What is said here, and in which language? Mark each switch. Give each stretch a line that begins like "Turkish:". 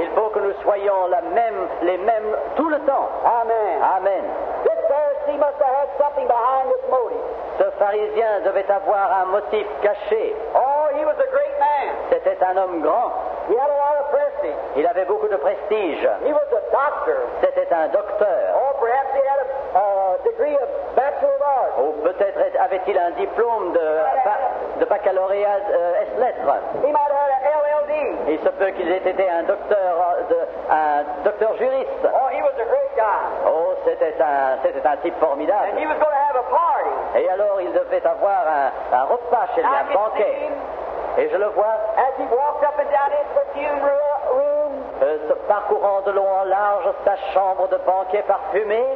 French: Il faut que nous soyons les mêmes tout le temps.
English: Amen.
French: Amen.
English: This Pharisee must have had something behind this motive.
French: Ce pharisien devait avoir un motif caché.
English: Oh, he was a great man.
French: C'était un homme grand.
English: He had a lot of prestige.
French: Il avait beaucoup de prestige.
English: He was a doctor.
French: C'était un docteur.
English: Oh, perhaps he had a degree of bachelor of arts.
French: Oh, peut-être avait-il un diplôme de baccalauréat S lettres.
English: He might have had an LLD.
French: Il se peut qu'il ait été un docteur juriste.
English: Oh, he was a great guy.
French: Oh, c'était un type formidable.
English: And he was going to have a party.
French: Et alors il devait avoir un repas chez lui, un banquet. Et je le vois.
English: As he walked up and down his perfume room.
French: Se parcourant de long en large sa chambre de banquet parfumée.